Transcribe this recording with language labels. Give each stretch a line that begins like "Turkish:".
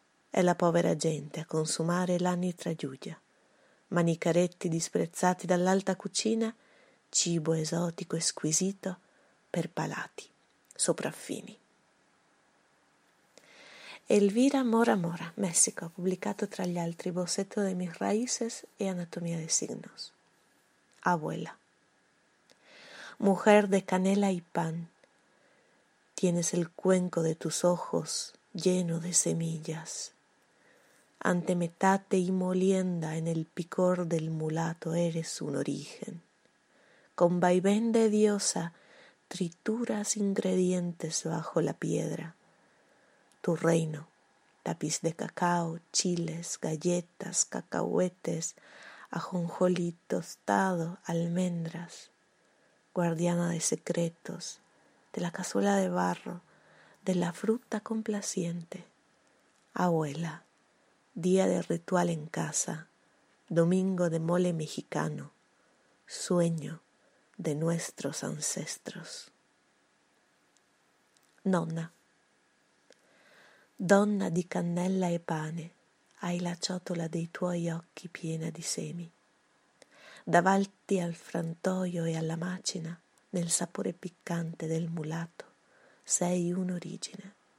Italian: È la povera gente a consumare l'anitra yuya. Manicaretti disprezzati dall'alta cucina, cibo esotico e squisito per palati sopraffini. Elvira Mora Mora, Messico, ha pubblicato tra gli altri Bossetto de mis raíces e Anatomía de signos.
Spanish: Abuela. Mujer de canela y pan, tienes el cuenco de tus ojos lleno de semillas. Ante metate y molienda en el picor del mulato eres un origen. Con vaivén de diosa trituras ingredientes bajo la piedra. Tu reino, tapiz de cacao, chiles, galletas, cacahuetes, ajonjolí tostado, almendras, guardiana de secretos, de la cazuela de barro, de la fruta complaciente. Abuela, día de ritual en casa, domingo de mole mexicano, sueño de nuestros ancestros.
Italian: Nonna. Donna di cannella e pane, hai la ciotola dei tuoi occhi piena di semi. Davanti al frantoio e alla macina, nel sapore piccante del mulato, sei un'origine.